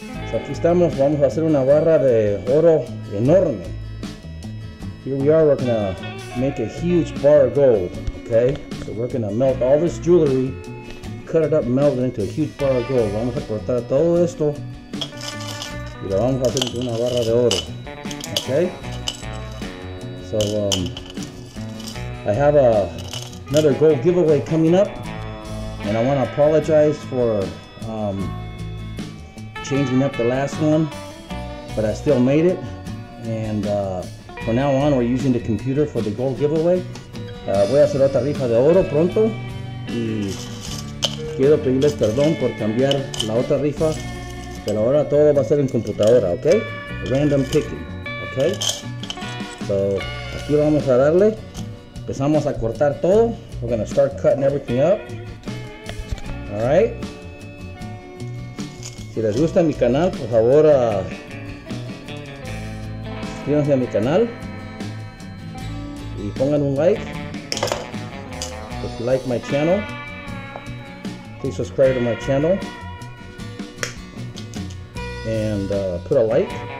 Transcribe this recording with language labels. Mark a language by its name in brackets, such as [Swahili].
[Spanish] So aquí estamos, vamos a hacer una barra de oro enorme. [English] Here we are, we're gonna make a huge bar of gold, okay? So we're gonna melt all this jewelry, cut it up, melt it into a huge bar of gold. [Spanish] Vamos a cortar todo esto y lo vamos a hacer into una barra de oro, okay? [English] So, I have another gold giveaway coming up, and I want to apologize for changing up the last one, but I still made it, and from now on, we're using the computer for the gold giveaway. [Spanish] Voy a hacer otra rifa de oro pronto, y quiero pedirles perdón por cambiar la otra rifa, pero ahora todo va a ser en computadora, ¿ok? [English] Random picking, ¿ok? So, [Spanish] aquí vamos a darle, empezamos a cortar todo, [English] we're gonna start cutting everything up. [Spanish] Alright, si les gusta mi canal, por favor, suscríbanse a mi canal y pongan un like. [English] If you like my channel, please subscribe to my channel and put a like.